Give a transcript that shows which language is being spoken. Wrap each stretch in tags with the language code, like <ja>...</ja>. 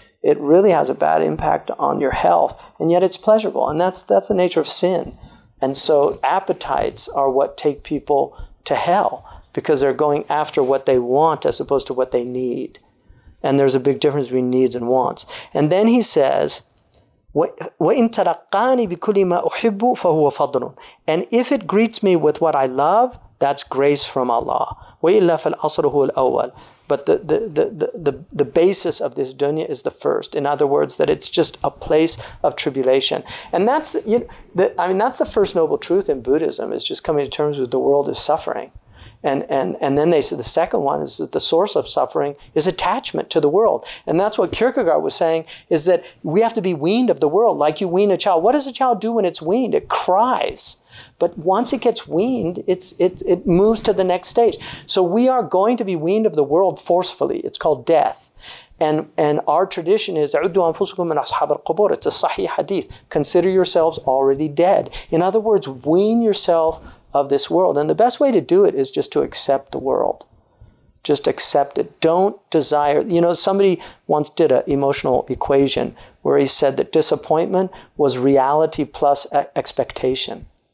<en>It really has a bad impact on your health, and yet it's pleasurable. And that's the nature of sin. And so appetites are what take people to hell, because they're going after what they want as opposed to what they need. And there's a big difference between needs and wants. And then he says,</en> <ar>وَإِن تَلَقَّانِ بِكُلِّ مَا أُحِبُّ فَهُوَ فَضْلٌ.</ar> <en>And if it greets me with what I love, that's grace from Allah.</en> <ar>وَإِلَّا فَالْأَصْرُ هُوَ الْأَوَّلُ.</ar> <en>But the basis of this dunya is the first. In other words, that it's just a place of tribulation. And that's, that's the first noble truth in Buddhism, is just coming to terms with the world is suffering. And then they said the second one is that the source of suffering is attachment to the world. And that's what Kierkegaard was saying, is that we have to be weaned of the world like you wean a child. What does a child do when it's weaned? It cries. But once it gets weaned, it moves to the next stage. So we are going to be weaned of the world forcefully. It's called death. And our tradition is</en> <ar>عُدُّوا أَنفُسُكُمْ مِنْ أَصْحَابِ الْقُبُورِ.</ar> <en>It's a sahih hadith. Consider yourselves already dead. In other words, wean yourself of this world. And the best way to do it is just to accept the world. Just accept it. Don't desire. You know, somebody once did an emotional equation where he said that disappointment was reality plus expectation.</en>